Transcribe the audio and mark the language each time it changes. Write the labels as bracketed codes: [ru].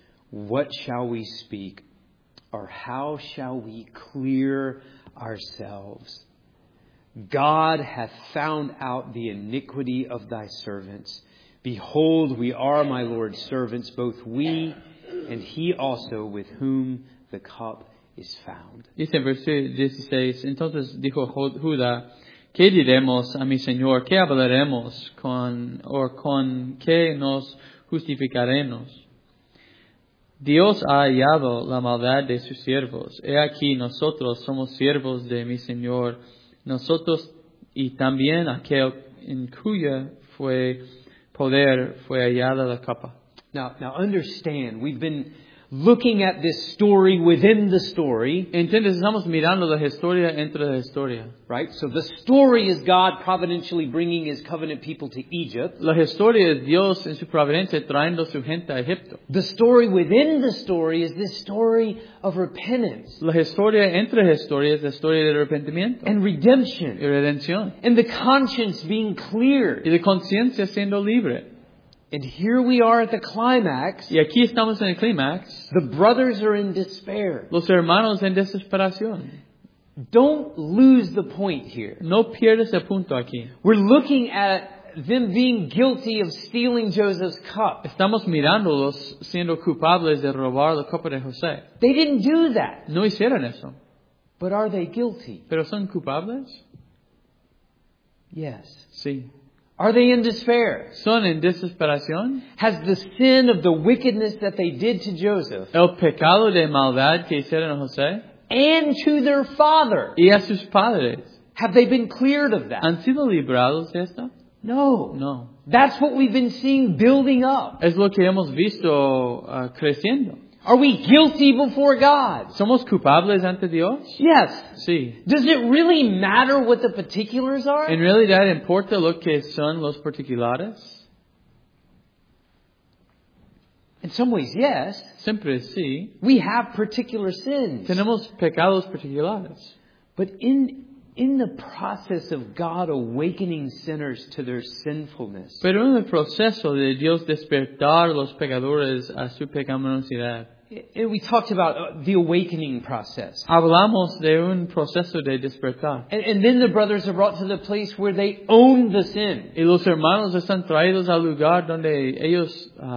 [en] What shall we speak? Or how shall we clear ourselves? God hath found out the iniquity of thy servants. Behold, we are my Lord's servants, both we and he also with whom the cup is found." [es] Dice en versículo 16, entonces dijo Judá, ¿qué diremos a mi Señor? ¿Qué hablaremos con qué nos justificaremos? Dios ha hallado la maldad de sus siervos. He aquí, nosotros somos siervos de mi Señor, nosotros y también aquel en cuya fue poder fue hallada la capa. [en] Now understand, we've been looking at this story within the story. [es] Entonces, estamos mirando la historia entre la historia. [en] Right? So the story is God providentially bringing his covenant people to Egypt. [es] La historia es Dios en su providencia trayendo su gente a Egipto. [en] The story within the story is this story of repentance. [es] La historia entre la historia es la historia de arrepentimiento. [en] And redemption. [es] Y redención. [en] And the conscience being cleared. [es] Y la conciencia siendo libre. [en] And here we are at the climax. [es] Y aquí estamos en el climax. [en] The brothers are in despair. [es] Los hermanos en desesperación. [en] Don't lose the point here. [es] No pierdas el punto aquí. [en] We're looking at them being guilty of stealing Joseph's cup. [es] Estamos mirándolos siendo culpables de robar la copa de José. [en] They didn't do that. [es] No hicieron eso. [en] But are they guilty? [es] ¿Pero son culpables? [en] Yes. [es] Sí. [en] Are they in despair? [es] Son en desesperación. [en] Has the sin of the wickedness that they did to Joseph, [es] el pecado de maldad que hicieron a José, [en] and to their father, [es] y a sus padres, [en] have they been cleared of that? [es] ¿Han sido librados de esto? [en] No. [es] No. [en] That's what we've been seeing building up. [es] Es lo que hemos visto creciendo. [en] Are we guilty before God? [es] ¿Somos culpables ante Dios? [en] Yes. [es] Sí. [en] Does it really matter what the particulars are? [es] ¿En realidad importa lo que son los particulares? [en] In some ways, yes. [es] Siempre sí. [en] We have particular sins. [es] Tenemos pecados particulares. [en] But in the process of God awakening sinners to their sinfulness. [es] Pero en el proceso de Dios despertar los pecadores a su pecaminosidad. [en] We talked about the awakening process. [es] Hablamos de un proceso de despertar. [en] And then the brothers are brought to the place where they own the sin. [es] Y los hermanos están traídos al lugar donde ellos